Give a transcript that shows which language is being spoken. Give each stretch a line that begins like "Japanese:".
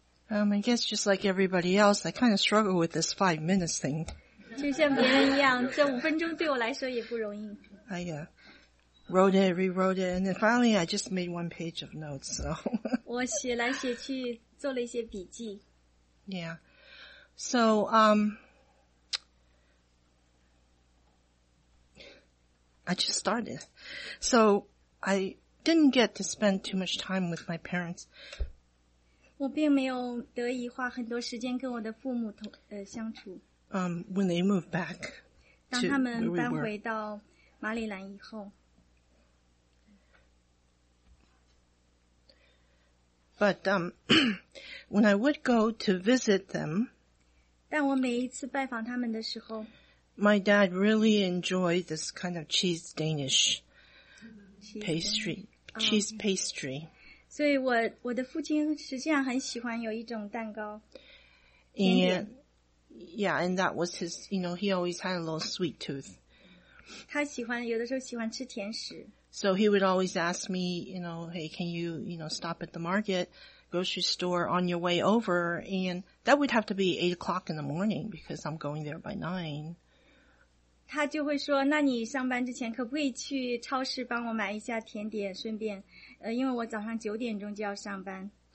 English: I guess just like everybody else, I kind of struggle with this 5 minutes thing.
Chinese: 就像别人一样，这五分钟对我来说也不容易。
English: I wrote it, rewrote it, and then finally I just made one page of notes. So.
Chinese: 我写来写去。做了一些笔记
English: Yeah. So, I just started. So, I didn't get to spend too much time with my parents.
Chinese: 我并没有得以花很多时间跟我的父母相处。
English: When they moved back.
Chinese: 当他们搬回到马里兰以后。
English: But when I would go to visit them,
Chinese: 但我每一次拜访他们的时候
English: my dad really enjoyed this kind of cheese Danish. pastry, cheese pastry.
Chinese: 所以我的父亲实际上很喜欢有一种蛋糕。
English: And, yeah, and that was his, you know, he always had a little sweet tooth.
Chinese: 他喜欢有的时候喜欢吃甜食。
English: So he would always ask me, you know, hey, can you, you know, stop at the market, grocery store on your way over? And that would have to be 8 o'clock in the morning because I'm going there by 9.
Chinese: 他就会说，那你上班之前可不可以去超市帮我买一下甜点，顺便，因为我早上九点钟就要上班。